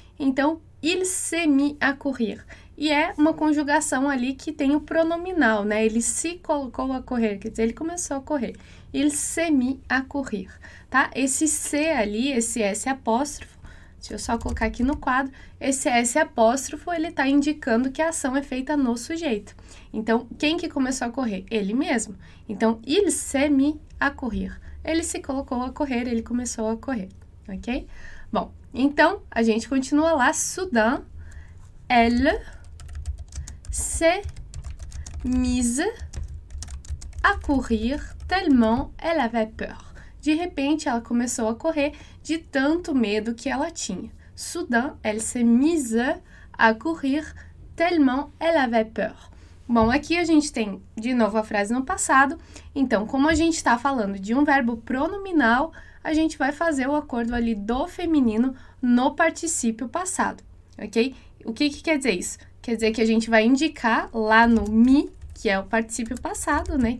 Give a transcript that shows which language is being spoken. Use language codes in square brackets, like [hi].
[pt] Então, [fr] il s'est mis à courir. [pt] E é uma conjugação ali que tem o pronominal, né? Ele se colocou a correr. Quer dizer, ele começou a correr. [fr] Il s'est mis à courir. [pt] Tá? Esse C ali, esse S apóstrofo, deixa eu só colocar aqui no quadro. Esse S apóstrofo, ele está indicando que a ação é feita no sujeito. Então, quem que começou a correr? Ele mesmo. [fr] Então, il s'est mis à courir. [pt] Ele se colocou a correr, ele começou a correr, ok? Bom, então, a gente continua lá. [fr] Soudain, elle s'est mise à courir tellement elle avait peur. [pt] De repente, ela começou a correr de tanto medo que ela tinha. [fr] Soudain, elle s'est mise à courir tellement elle avait peur. [pt] Bom, aqui a gente tem de novo a frase no passado. Então, como a gente está falando de um verbo pronominal, a gente vai fazer o acordo ali do feminino no particípio passado, ok? O que que quer dizer isso? Quer dizer que a gente vai indicar lá no me, que é o particípio passado, né?